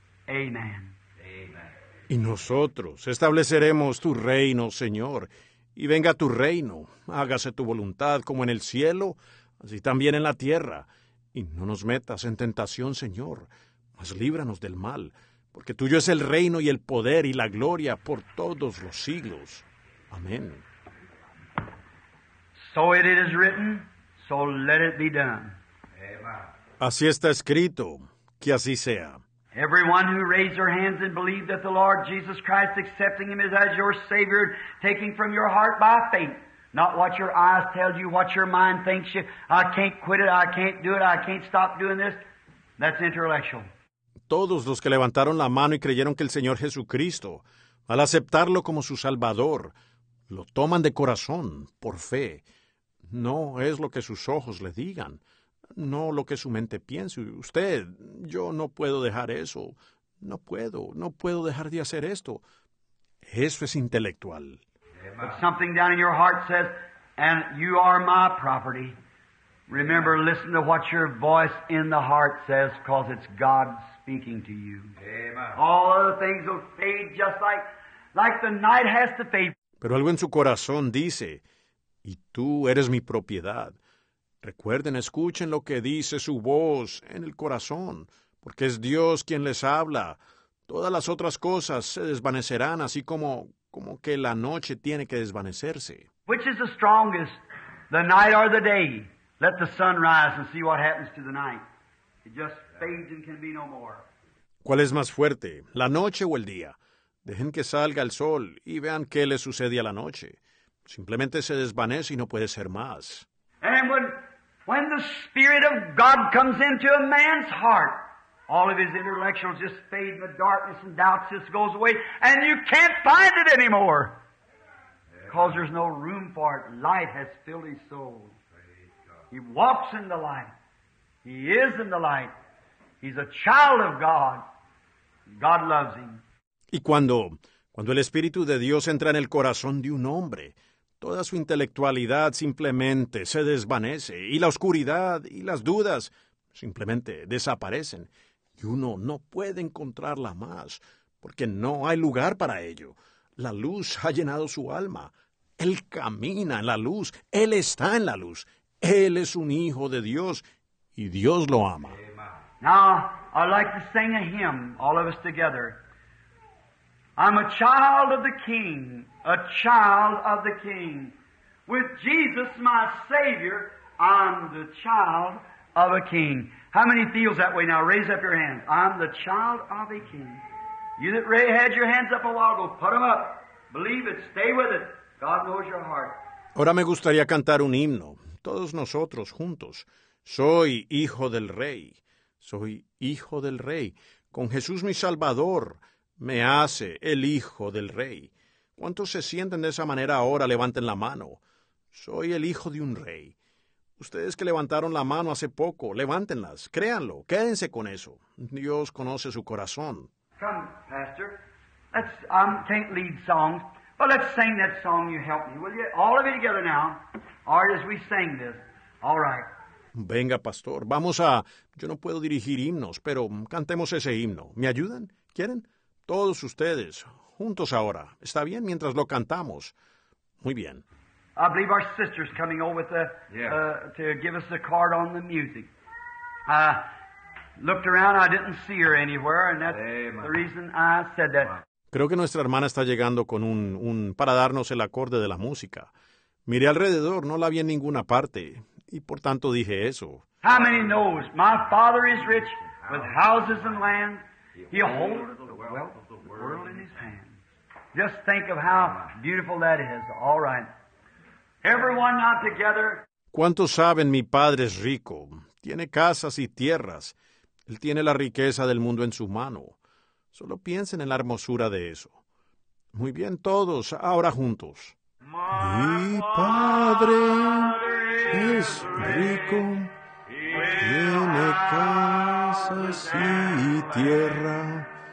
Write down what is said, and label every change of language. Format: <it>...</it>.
<en>Amen.</en> <es>Y nosotros estableceremos tu reino, Señor, y venga tu reino, hágase tu voluntad como en el cielo, así también en la tierra, y no nos metas en tentación, Señor, mas líbranos del mal, porque tuyo es el reino y el poder y la gloria por todos los siglos. Amén.</es> <en>So it is written, so let it be done.</en> <es>Así está escrito, que así sea.</es> <en>Everyone who raised their hands and believed that the Lord Jesus Christ, accepting Him as your Savior, taking from your heart by faith, not what your eyes tell you, what your mind thinks you, I can't quit it, I can't do it, I can't stop doing this, that's intellectual.</en> <es>Todos los que levantaron la mano y creyeron que el Señor Jesucristo, al aceptarlo como su Salvador, lo toman de corazón, por fe. No es lo que sus ojos le digan. No lo que su mente piense. Usted, yo no puedo dejar eso. No puedo dejar de hacer esto. Eso es intelectual.</es> <en>But something down in your heart says, and you are my property. Remember, listen to what your voice in the heart says, because it's God speaking to you. Amen. All other things will fade just like the night has to fade.</en> <es>Pero algo en su corazón dice, y tú eres mi propiedad. Recuerden, escuchen lo que dice su voz en el corazón, porque es Dios quien les habla. Todas las otras cosas se desvanecerán, así como que la noche tiene que desvanecerse.</es> <en>Which is the strongest, the night or the day? Let the sun rise and see what happens to the night. It just fades and can be no more.</en> <es>¿Cuál es más fuerte, la noche o el día? Dejen que salga el sol y vean qué le sucede a la noche. Simplemente se desvanece y no puede ser más.</es> <en>And when the Spirit of God comes into a man's heart, all of his intellectuals just fade in the darkness and doubts just goes away, and you can't find it anymore. Because there's no room for it. Light has filled his soul. He walks in the light. He is in the light. He's a child of God. God loves him.</en> <es>Y cuando el Espíritu de Dios entra en el corazón de un hombre, toda su intelectualidad simplemente se desvanece, y la oscuridad y las dudas simplemente desaparecen. Y uno no puede encontrarla más, porque no hay lugar para ello. La luz ha llenado su alma. Él camina en la luz. Él está en la luz. Él es un hijo de Dios, y Dios lo ama.</es> <en>Now, I'd like to sing a hymn, all of us together. I'm a child of the King, a child of the King. With Jesus, my Savior, I'm the child of a King. How many feels that way now? Raise up your hands. I'm the child of a King. You that had your hands up a while ago, put them up. Believe it. Stay with it. God knows your heart.</en> <es>Ahora me gustaría cantar un himno. Todos nosotros juntos. Soy hijo del Rey. Soy hijo del Rey. Con Jesús mi Salvador. Me hace el Hijo del Rey. ¿Cuántos se sienten de esa manera ahora? Levanten la mano. Soy el Hijo de un Rey. Ustedes que levantaron la mano hace poco, levántenlas. Créanlo. Quédense con eso. Dios conoce su corazón.</es> <en>Come, Pastor. I can't lead songs. But let's sing that song, you help me, will you? All of you together now. All right, as we sing this. All right.</en> <es>Venga, pastor, vamos a... Yo no puedo dirigir himnos, pero cantemos ese himno. ¿Me ayudan? ¿Quieren? Todos ustedes, juntos ahora. ¿Está bien mientras lo cantamos? Muy bien.</es> <en>I believe our sister's coming over with the, to give us the card on the music. Looked around, I didn't see her anywhere, and that's the reason I said that.</en> <es>Creo que nuestra hermana está llegando con un para darnos el acorde de la música. Miré alrededor, no la vi en ninguna parte, y por tanto dije eso.</es> <en>How many knows? My father is rich with houses and land. He holds the wealth of the world in his hands. Just think of how beautiful that is. All right. Everyone not together.</en> <es>¿Cuántos saben mi padre es rico? Tiene casas y tierras. Él tiene la riqueza del mundo en su mano. Solo piensen en la hermosura de eso. Muy bien, todos, ahora juntos. Mi padre es rico, tiene casas y tierra.</es>